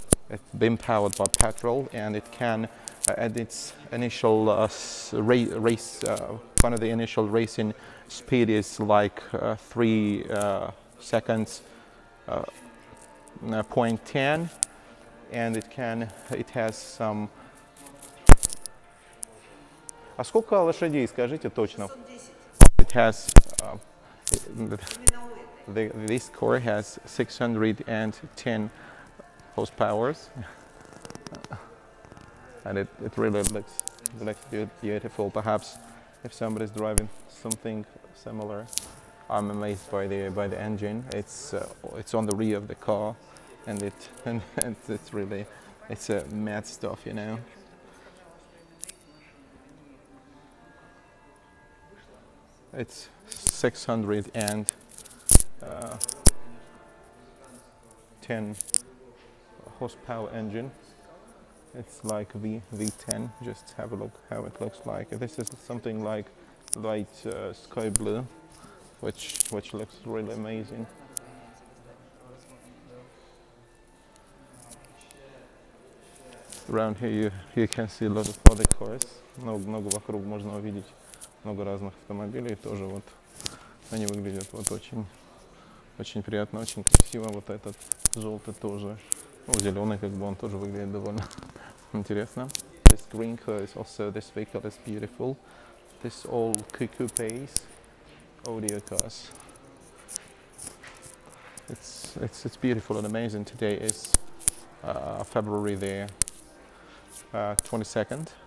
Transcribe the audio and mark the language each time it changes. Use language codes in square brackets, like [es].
[en] It's been powered by petrol, and it can at its initial initial racing speed is like 3 seconds 0.10, and it has some. [ru] А сколько лошадей, скажите точно? [en] It has this car has 610 horsepowers, and it really looks beautiful. Perhaps if somebody's driving something similar, I'm amazed by the engine. It's on the rear of the car, and it's really a mad stuff, you know. It's 610 horsepower engine. It's like V10. Just have a look how it looks like. This is something like light sky blue, which looks really amazing. Around here you can see a lot of other cars. [ru] Много вокруг можно увидеть много разных автомобилей. Тоже вот они выглядят вот очень приятно, очень красиво. Вот этот желтый тоже. Ну, зеленый, как бы, он тоже выглядит довольно интересно. [en] This green car is also, this vehicle is beautiful. This all coupes, Audi cars. It's beautiful and amazing. Today is February the 22nd.